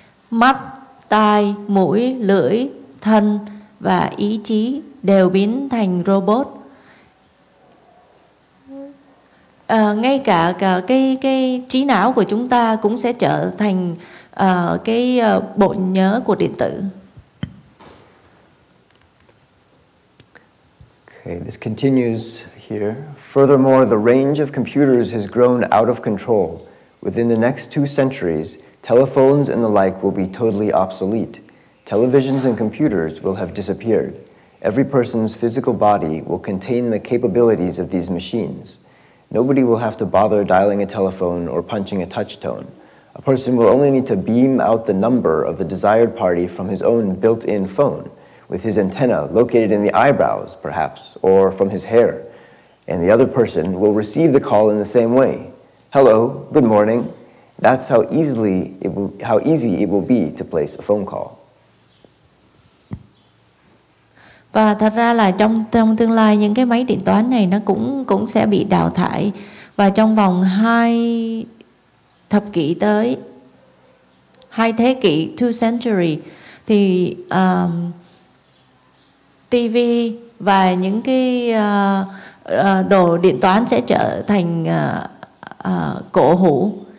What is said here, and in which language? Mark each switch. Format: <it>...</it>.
<vi>Mắt, tai, mũi, lưỡi, thân và ý chí đều biến thành robot. Ngay cả cái trí não của chúng ta cũng sẽ trở thành cái bộ nhớ của điện tử.</vi> <en>Okay, this continues here. Furthermore, the range of computers has grown out of control. Within the next 2 centuries, telephones and the like will be totally obsolete. Televisions and computers will have disappeared. Every person's physical body will contain the capabilities of these machines. Nobody will have to bother dialing a telephone or punching a touch tone. A person will only need to beam out the number of the desired party from his own built-in phone, with his antenna located in the eyebrows, perhaps, or from his hair. And the other person will receive the call in the same way. Hello, good morning. That's how easy it will be to place a phone call.</en> <vi>Và thật ra là trong tương lai những cái máy điện toán này nó cũng sẽ bị đào thải. Và trong vòng 2 thập kỷ tới, 2 thế kỷ, 2 century, thì TV và những cái đồ điện toán sẽ trở thành cổ hủ.</vi>